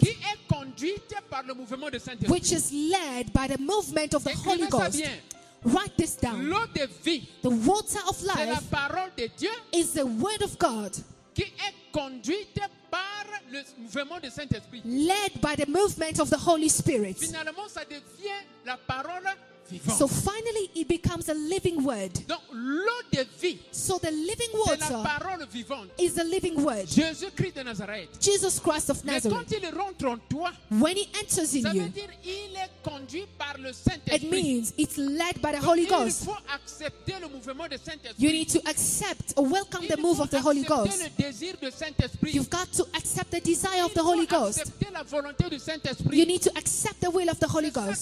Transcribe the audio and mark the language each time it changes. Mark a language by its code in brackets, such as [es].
[fr] qui est conduite par le mouvement de Saint-Esprit. [en] Which is led by the movement of the [fr] écrivez [en] Holy Ghost. [fr] Bien. [en] Write this down. [fr] L'eau de vie [en] the water of life [fr] c'est la parole de Dieu [en] is the word of God [fr] qui est conduite par le mouvement du Saint-Esprit. [en] Led by the movement of the Holy Spirit. [fr] Finalement, ça devient la parole vivante. [en] So finally it becomes a living word. [fr] Donc l'eau de vie. [en] So the living water. [fr] C'est la parole vivante. [en] Is the living word. [fr] Jésus-Christ de Nazareth. [en] Jesus Christ of Nazareth. [fr] Mais quand il rentre en toi, [en] when he enters in [fr] ça [en] you, [fr] veut dire il est conduit par le Saint-Esprit. [en] It means it's led by the Holy [fr] il [en] Ghost. [fr] Il faut accepter le mouvement de Saint-Esprit. [en] You need to accept or welcome [fr] il [en] the move of the Holy Ghost. [fr] Le désir de Saint-Esprit. [en] You've got to accept the desire of the Holy Ghost. [fr] Accepter la volonté du Saint-Esprit. [en] You need to accept the will of the Holy Ghost.